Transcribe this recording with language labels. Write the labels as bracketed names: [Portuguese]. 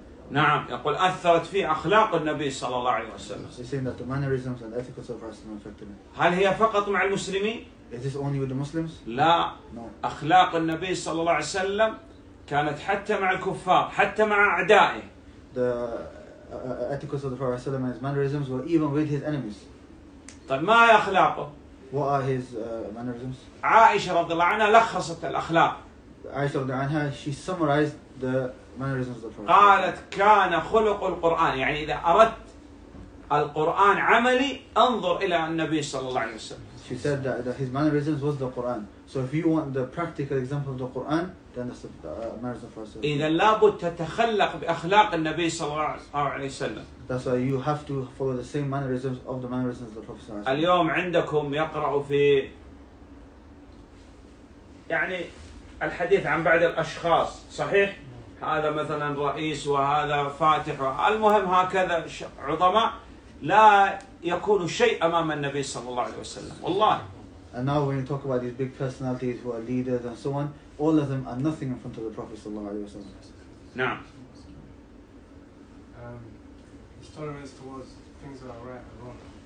[Arabic] نعم يقول أثرت في أخلاق النبي صلى الله عليه وسلم. [English] He's saying that the mannerisms and ethics of Rasulullah affected him. [Arabic] هل هي فقط مع المسلمين؟ [English] Is this only with the Muslims? [Arabic] لا. [English] No. [Arabic] أخلاق النبي صلى الله عليه وسلم كانت حتى مع الكفار، حتى مع أعدائه. [English] The ethics of the Prophet [Arabic] صلى الله عليه وسلم [English] and his mannerisms were even with his enemies. [Arabic] طيب ما هي أخلاقه؟ [English] What are his mannerisms? [Arabic] عائشة رضي الله عنها لخصت الأخلاق. عائشة رضي الله عنها [English] she summarized the mannerisms of the Prophet. [Arabic] قالت كان خلق القرآن، يعني إذا أردت القرآن عملي انظر إلى النبي صلى الله عليه وسلم. [English] She said that his mannerisms was the Quran. So if you want the practical example of the Quran, then that's the mannerisms of the Prophet. [Arabic] إذا لابد تتخلق بأخلاق النبي صلى الله عليه وسلم. [English] That's why you have to follow the same mannerisms of the mannerisms of the Prophet. [Arabic] اليوم عندكم يقرأ في يعني الحديث عن بعض الأشخاص صحيح؟ هذا مثلا رئيس وهذا فاتح، المهم هكذا عظماء لا يكون شيء أمام النبي صلى الله عليه وسلم. والله. [English] And now when you talk about these big personalities who are leaders and so on, all of them are nothing in front of the Prophet [Arabic] صلى الله عليه وسلم. نعم. [English] His tolerance towards things that are right and wrong.